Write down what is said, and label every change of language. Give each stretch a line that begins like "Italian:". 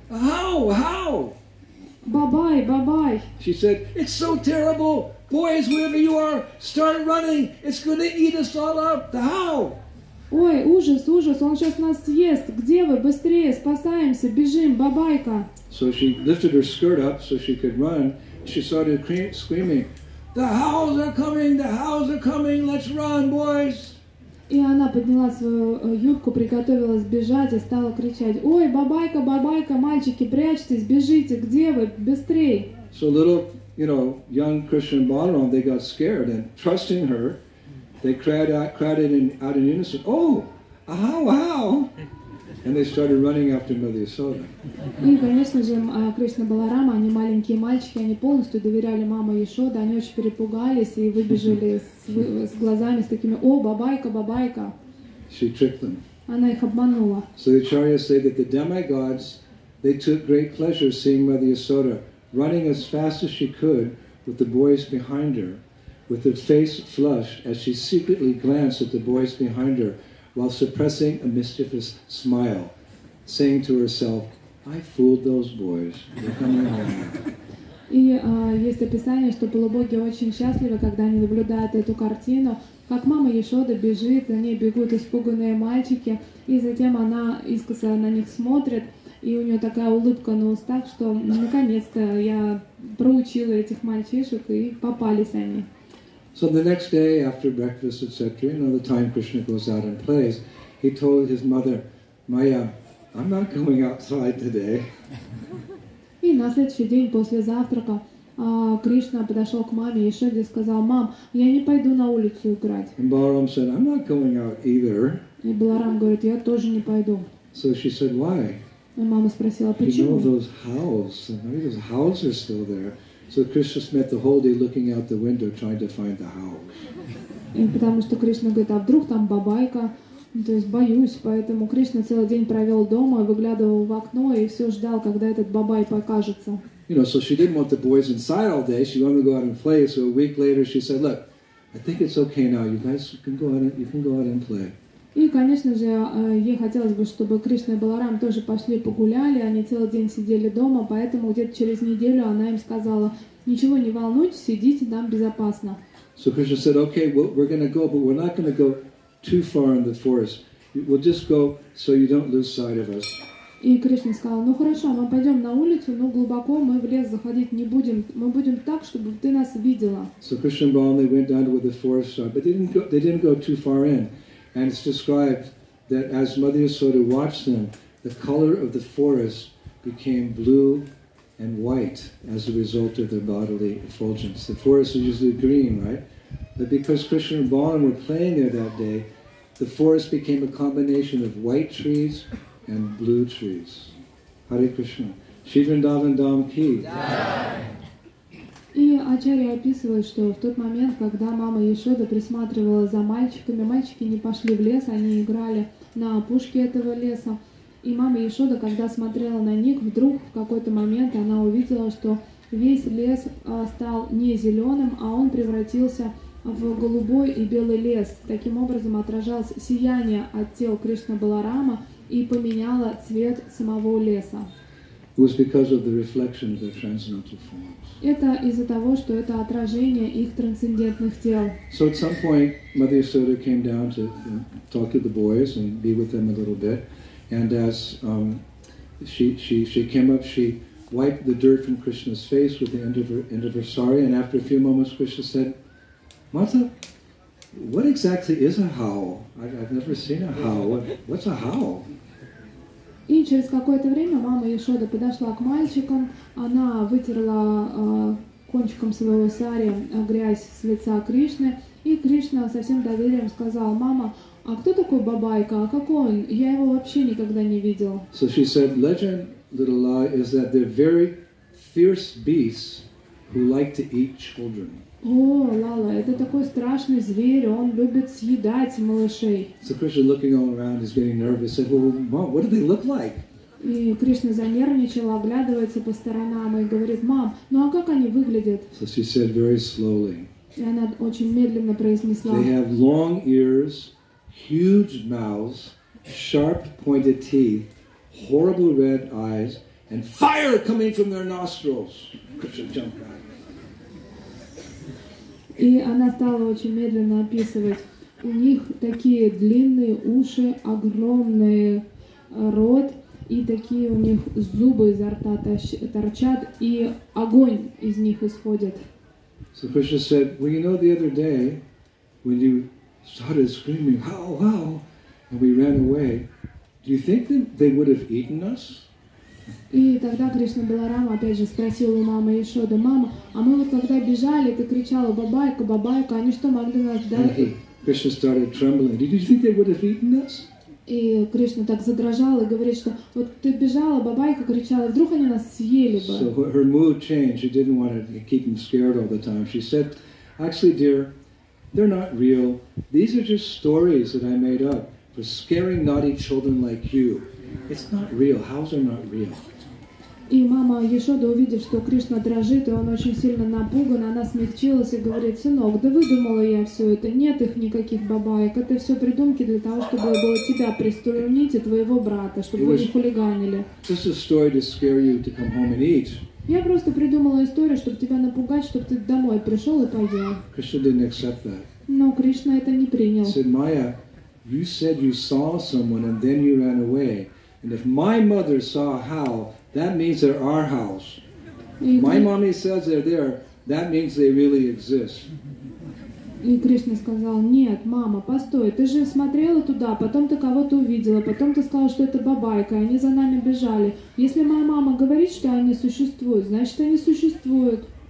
Russian: «Ау, ау!» Бабай, бабай.
English: She said, "It's so terrible, boys. Wherever you are, start running. It's gonna eat us all up. The how?"
Russian: Ой, ужас, ужас! Он сейчас нас съест. Где вы? Быстрее, спасаемся, бежим, бабайка.
English: So she lifted her skirt up so she could run. She started screaming, "The hows are coming! The hows are coming! Let's run, boys!"
Russian: И она подняла свою юбку, приготовилась бежать и стала кричать: «Ой, бабайка, бабайка, мальчики, прячьтесь, бежите, где вы? Быстрей!»
English: So little, you know, young Krishna and Balaram, they got scared, and trusting her, they cried out in unison, "Oh, ow, ow!" And they started running after Mother Yasoda.
Russian: И, конечно же, Кришна Баларама, они маленькие мальчики, они полностью доверяли маме Яшоде, они очень перепугались и выбежали с глазами, с такими: «О, бабайка, бабайка!»
English: She tricked them.
Russian: Она их обманула.
English: So the acharyas say that the demigods, they took great pleasure seeing Mother Yasoda running as fast as she could with the boys behind her, with her face flushed as she secretly glanced at the boys behind her, while suppressing a mischievous smile, saying to herself, "I fooled those boys. They're coming home."
Russian: И есть описание, что полубоги очень счастливы, когда они наблюдают эту картину, как мама Яшода бежит, за ней бегут испуганные мальчики, и затем она искоса на них смотрит, и у нее такая улыбка на устах, что наконец-то я проучила этих мальчишек, и попались они.
English: So the next day, after breakfast, etc., you know, the time Krishna goes out and plays, he told his mother, "Maya, I'm not going outside today."
Russian: И на следующий день после завтрака Кришна подошел к маме Яшоде и сказал: "Мам, я не пойду на улицу играть."
English: And Balaram said, "I'm not going out either."
Russian: И Баларам говорит: "Я тоже не пойду."
English: So she said, "Why?"
Russian: И мама спросила: "Почему?"
English: You know, those howls. Maybe those howls are still there. So Krishna spent the whole day looking out the window trying to find the house.
Russian: И потому что Кришна говорит, а вдруг там бабайка, то есть боюсь, поэтому Кришна целый день провел дома, выглядывал в окно и все ждал, когда этот бабай покажется.
English: You know, so she didn't want the boys inside all day. She wanted to go out and play. So a week later, she said, "Look, I think it's okay now. You guys can go out. You can go out and play."
Russian: И, конечно же, ей хотелось бы, чтобы Кришна и Баларам тоже пошли погуляли, они целый день сидели дома, поэтому где-то через неделю она им сказала: "Ничего не волнуйтесь, сидите там безопасно."
English: So Krishna said, "Okay, well, we're going to go, but we're not going to go too far in the forest. We'll just go so you don't lose sight of us."
Russian: И Кришна сказала: "Ну хорошо, мы пойдем на улицу, но глубоко мы в лес заходить не будем. Мы будем так, чтобы ты нас видела."
English: So Krishna and Balaram went down to where the forest started, but they didn't go too far in. And it's described that as Mother Yasoda watched them, the color of the forest became blue and white as a result of their bodily effulgence. The forest is usually green, right? But because Krishna and Balaram were playing there that day, the forest became a combination of white trees and blue trees. Hare Krishna. Shri Vrindavan Dham Ki.
Russian: И Ачарья описывает, что в тот момент, когда мама Яшода присматривала за мальчиками, мальчики не пошли в лес, они играли на опушке этого леса. И мама Яшода, когда смотрела на них, вдруг в какой-то момент она увидела, что весь лес стал не зеленым, а он превратился в голубой и белый лес. Таким образом отражалось сияние от тел Кришна Баларама и поменяло цвет самого леса.
English: It was because of the reflection of their transcendental forms.
Russian: Это из-за того, что это отражение их трансцендентных тел.
English: So at some point, Mother Yasoda came down to talk to the boys and be with them a little bit. And as she came up, she wiped the dirt from Krishna's face with the end of her sari. And after a few moments, Krishna said, "Mata, what exactly is a howl? I've never seen a howl. What's a howl?"
Russian: И через какое-то время мама Яшода подошла к мальчикам, она вытерла кончиком своего сари грязь с лица Кришны, и Кришна со всем доверием сказал: «Мама, а кто такой бабайка? А какой он? Я его вообще никогда не видел».
English: So she said, legend, little lie, is that they're very fierce beasts who like to eat children.
Russian: О, Лала, это такой страшный зверь, он любит съедать малышей.
English: So Krishna looking all around, he's getting nervous, said, well, mom, what do they look like?
Russian: И Кришна занервничал, оглядывается по сторонам и говорит: мам, ну а как они выглядят?
English: So she said very slowly.
Russian: И она очень медленно произнесла.
English: They have long ears, huge mouths, sharp pointed teeth, horrible red eyes, and fire coming from their nostrils. Krishna jumped back.
Russian: И она стала очень медленно описывать. У них такие длинные уши, огромный рот, и такие у них зубы изо рта торчат, и огонь из них исходит.
English: So Krishna said, well, you know, the other day, when you started screaming, how, how, and we ran away, do you think that they would have eaten us?
Russian: И тогда Кришна Баларама опять же спросил у мамы Яшоды: мама, а мы вот когда бежали, ты кричала: бабайка, бабайка, они что, могли нас дать?
English: Krishna started trembling. Did you think they would have eaten us?
Russian: И Кришна так задрожал и говорит, что вот ты бежала, бабайка кричала, вдруг они нас съели бы.
English: So her mood changed. She didn't want to keep them scared all the time. She said, actually, dear, they're not real. These are just stories that I made up for scaring naughty children like you. It's not real. Howls are not real.
Russian: И мама Яшода, увидев, что Кришна дрожит, и он очень сильно напуган, она смягчилась и говорит: сынок, да выдумала я все это. Нет их никаких бабаек. Это все придумки для того, чтобы было тебя приструнить и твоего брата, чтобы вы не хулиганили.
English: Just a story to scare you to come home and eat.
Russian: Я просто придумала историю, чтобы тебя напугать, чтобы ты домой пришел и поел.
English: Krishna didn't accept that.
Russian: Но Кришна это не принял.
English: Said Maya, you said you saw someone and then you ran away. And if my mother saw a howl, that means they're our howls. My mommy says they're there, that means they really exist.
Russian: И Кришна сказал: нет, мама, постой, ты же смотрела туда, потом ты кого-то увидела, потом ты сказала, что это бабайка, они за нами бежали. Если моя мама говорит, что они существуют, значит, они существуют.